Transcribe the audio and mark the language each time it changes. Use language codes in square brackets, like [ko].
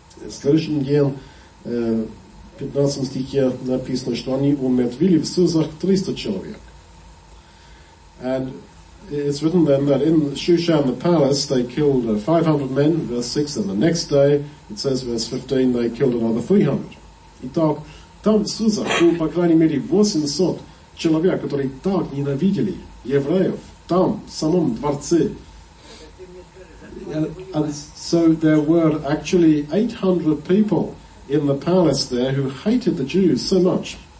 [ru] Следующий день, 15 стихе написано, что они умертвили в Сузах 300 человек. [en] And it's written then that in Shushan the palace they killed 500 men, verse 6, and the next day, it says verse 15, they killed another 300. [ru] Итак, там в Сузах было, по крайней мере, 800 человек, которые так ненавидели евреев, там, в самом дворце. [en] And so there were actually 800 people in the palace there who hated the Jews so much.